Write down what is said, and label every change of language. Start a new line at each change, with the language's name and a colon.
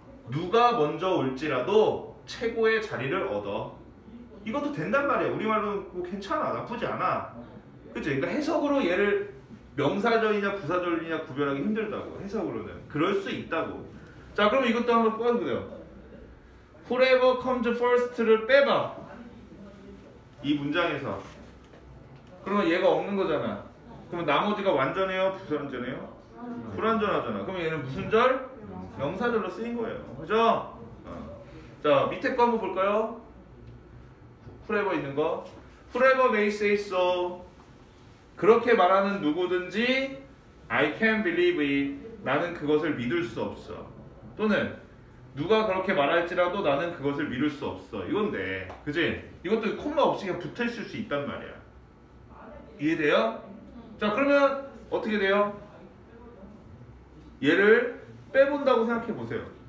Korean: 누가 먼저 올지라도 최고의 자리를 얻어. 이것도 된단 말이야. 우리말로 뭐 괜찮아. 나쁘지 않아. 그치? 그러니까 해석으로 얘를 명사절이냐 부사절이냐 구별하기 힘들다고. 해석으로는. 그럴 수 있다고. 자, 그럼 이것도 한번 뽑아주세요.
English: Whoever comes first를
Korean: 빼봐. 이 문장에서. 그러면 얘가 없는 거잖아. 그럼 나머지가 완전해요? 부사완전해요? 불완전하잖아. 그럼 얘는 무슨 절? 명사절로 쓰인 거예요. 그죠? 어. 자, 밑에 거 한번 볼까요? Whoever 있는 거.
English: Whoever may say so.
Korean: 그렇게 말하는 누구든지
English: I can't believe it.
Korean: 나는 그것을 믿을 수 없어. 또는 누가 그렇게 말할지라도 나는 그것을 믿을 수 없어. 이건데. 그지? 이것도 콤마 없이 그냥 붙어있을 수 있단 말이야. 이해돼요? 자, 그러면 어떻게 돼요? 얘를 빼본다고 생각해보세요.